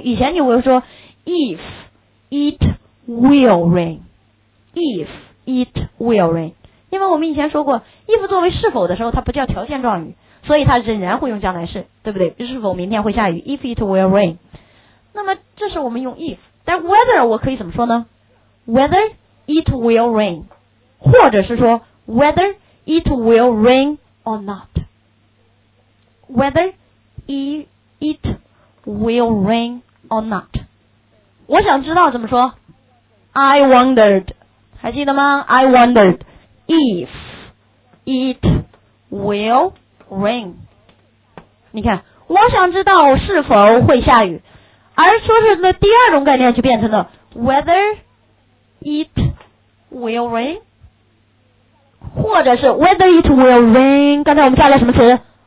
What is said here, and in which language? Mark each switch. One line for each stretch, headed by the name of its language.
Chinese: 以前你会说
English: if it will rain， if it will rain，
Chinese: 因为我们以前说过 if 作为是否的时候它不叫条件状语，所以它仍然会用将来式，对不对？是否明天会下雨？
English: if it will rain，
Chinese: 那么这是我们用 if， 但 whether 我可以怎么说呢？
English: whether it will rain，
Chinese: 或者是说
English: whether it will rain or not， whether it will rain or not，
Chinese: 我想知道怎么说？
English: I wondered，
Chinese: 还记得吗？
English: I wondered if it will rain。
Chinese: 你看，我想知道是否会下雨，而说是那第二种概念就变成了
English: whether it will rain，
Chinese: 或者是
English: whether it will rain，
Chinese: 刚才我们加了什么词？